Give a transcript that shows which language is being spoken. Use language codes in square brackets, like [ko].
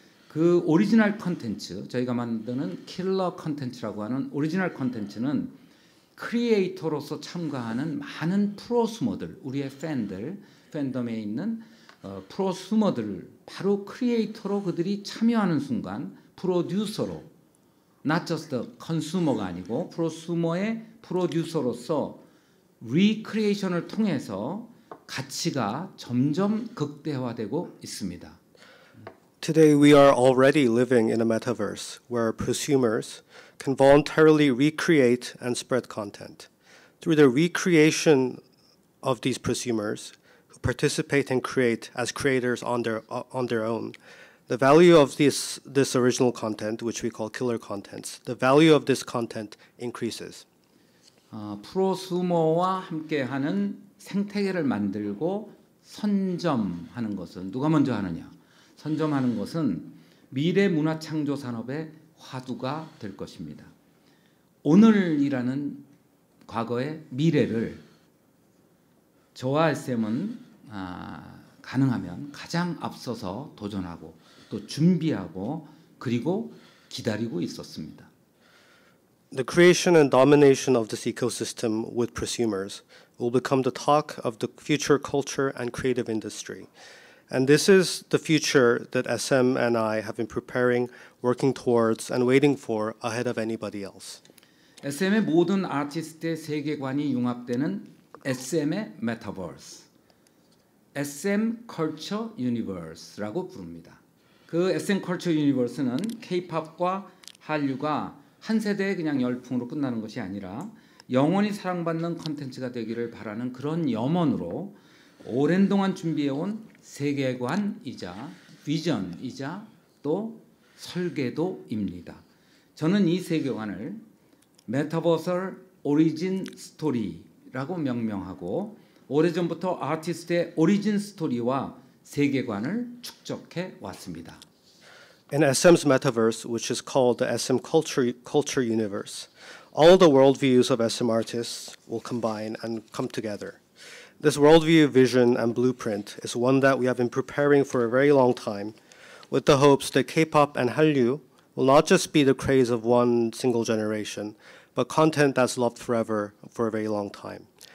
[ko] 그 오리지널 콘텐츠, 저희가 만드는 킬러 콘텐츠라고 하는 오리지널 콘텐츠는 크리에이터로서 참가하는 많은 프로스머들, 우리의 팬들, 팬덤에 있는 프로스머들을 바로 크리에이터로 그들이 참여하는 순간 프로듀서로 [en] not just the consumer [ko] 가 아니고 프로스머의 프로듀서로서 리크리에이션을 통해서 가치가 점점 극대화되고 있습니다. [en] Today we are already living in a metaverse where prosumers can voluntarily recreate and spread content. Through the recreation of these prosumers who participate and create as creators on their own, the value of this original content, which we call killer contents, the value of this content increases. [ko] 프로스머와 함께하는 생태계를 만들고 선점하는 것은 누가 먼저 하느냐? 선점하는 것은 미래 문화 창조 산업의 화두가 될 것입니다. 오늘이라는 과거의 미래를 저와 SM은 가능하면 가장 앞서서 도전하고 또 준비하고 그리고 기다리고 있었습니다. [en] The creation and domination of this ecosystem with prosumers will become the talk of the future culture and creative industry. And this is the future that SM and I have been preparing, working towards, and waiting for ahead of anybody else. [ko] SM의 모든 아티스트의 세계관이 융합되는 SM의 메타버스, SM Culture Universe라고 부릅니다. 그 SM Culture Universe는 K-POP과 한류가 한 세대의 그냥 열풍으로 끝나는 것이 아니라 영원히 사랑받는 콘텐츠가 되기를 바라는 그런 염원으로 오랜 동안 준비해온 세계관이자 비전이자 또 설계도입니다. 저는 이 세계관을 메타버설 오리진 스토리라고 명명하고 오래전부터 아티스트의 오리진 스토리와 세계관을 축적해 왔습니다. [en] In SM's metaverse, which is called the SM Culture Universe, all the worldviews of SM artists will combine and come together. This worldview, vision, and blueprint is one that we have been preparing for a very long time with the hopes that K-pop and Hallyu will not just be the craze of one single generation, but content that's loved forever for a very long time.